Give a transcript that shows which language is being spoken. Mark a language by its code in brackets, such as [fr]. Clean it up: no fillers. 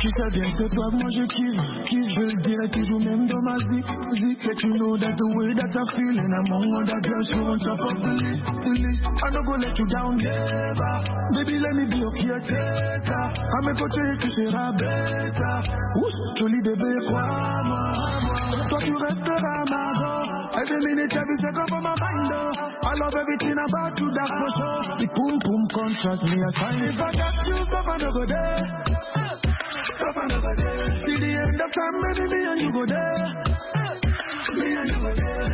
[fr] Bien que toi, moi je kiffe, kiffe, je le dirai toujours même dans ma zik, zik. Et tu [en] know that the way that I feel, and I'm on that girl, so on top of the list, the list. I don't go let you down, never. Baby, let me be your caretaker. [fr] À mes côtés, tu seras bêta. Ouh, joli bébé, crois-moi. Toi, tu resteras ma gore. [en] Every minute, every second for my mind, oh. I love everything about you, that's for sure. The boom, boom, contract me, I sign it. If I got you, stop and go there. See the end of time, maybe me and you go there. Me and you go there.